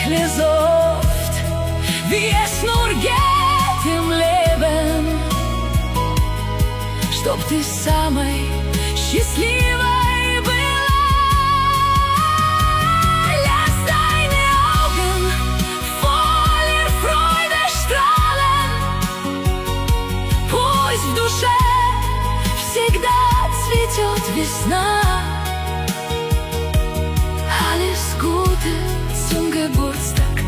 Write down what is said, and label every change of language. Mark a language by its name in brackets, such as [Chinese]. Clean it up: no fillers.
[German] Wie es nur geht im Leben, [Russian] чтоб ты самой счастливой была. [German] Lass deine Augen voller Freude strahlen. [Russian] Пусть в душе всегда цветет весна. [German] Alles Gute zum Geburtstag.